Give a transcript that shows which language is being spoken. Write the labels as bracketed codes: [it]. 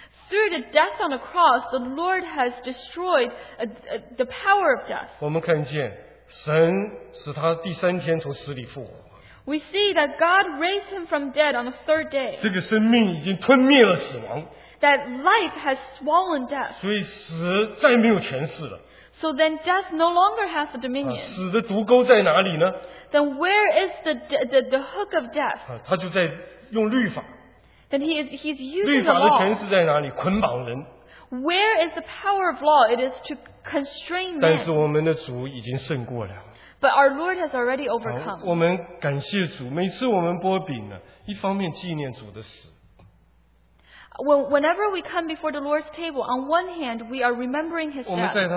[en] through the death on the cross, the Lord has destroyed the power of death. [zh] 我们看见神使他第三天从死里复活。 [en] We see that God raised him from dead on the third day. [zh] 这个生命已经吞灭了死亡。 [en] That life has swallowed death. [zh] 所以死再没有权势了。 [en] So then death no longer has the dominion. [zh] 啊, 死的毒钩在哪里呢? [en] Then where is the hook of death? [zh] 啊, 他就在用律法。 [en] Then he's using the law. [zh] 律法的权势在哪里?捆绑人。 [en] Where is the power of law? It is to constrain men. [zh] 但是我们的主已经胜过了。 [en] But our Lord has already overcome. 啊, [zh] 我们感谢主, 每次我们拨饼呢, 一方面纪念主的死。 [en] Whenever we come before the Lord's table, on one hand, we are remembering His death.